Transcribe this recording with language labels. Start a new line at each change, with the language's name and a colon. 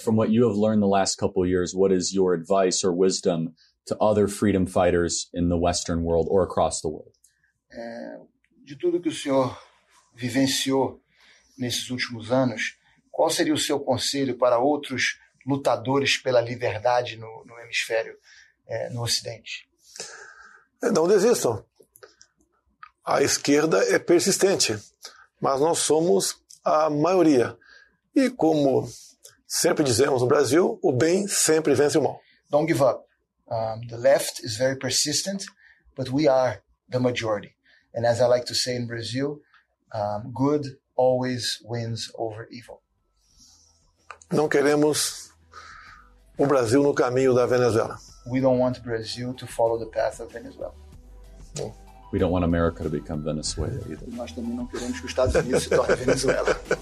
English: From what you have learned the last couple of years, what is your advice or wisdom to other freedom fighters in the Western world or across the world?
Portuguese: De tudo que o senhor vivenciou nesses últimos anos, qual seria o seu conselho para outros lutadores pela liberdade no hemisfério, no Ocidente? Não desistam. A esquerda é persistente, mas nós somos a maioria. E como sempre dizemos no Brasil, o bem sempre vence o mal.
English: Don't give up. The left is very persistent, but we are the majority. And as I like to say in Brazil, good always wins over evil. Não queremos o Brasil no caminho da Venezuela. We don't want Brazil to follow the path of Venezuela. We don't want America to become Venezuela either.
Portuguese: Nós também não queremos que os Estados Unidos se tornem Venezuela.